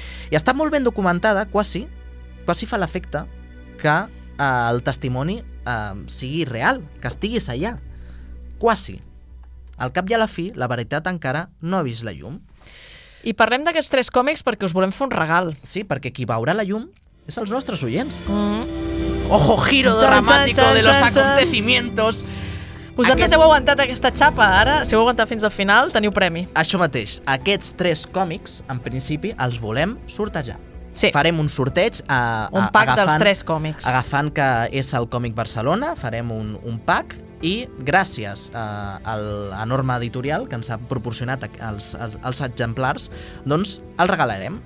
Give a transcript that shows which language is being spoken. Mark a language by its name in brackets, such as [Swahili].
[Catalan] I està molt ben documentada, quasi fa l'efecte que el testimoni sigui real, que estiguis allà. Quasi. Al cap i a la fi, la veritat encara no ha vist la llum. I parlem d'aquests tres còmics perquè us volem fer un regal. Sí, perquè qui veurà la llum és els nostres oients. [Spanish] Ojo, giro dramático de los acontecimientos. [Catalan] Vosaltres aquests... heu aguantat aquesta xapa, ara. Si heu aguantat fins al final, teniu premi. Això mateix. Aquests tres còmics, en principi, els volem sortejar. Sí. Farem un sorteig un pack dels tres còmics. Agafant que és el Còmic Barcelona, farem un pack i gràcies a l'enorme editorial que ens ha proporcionat els exemplars, doncs el regalarem.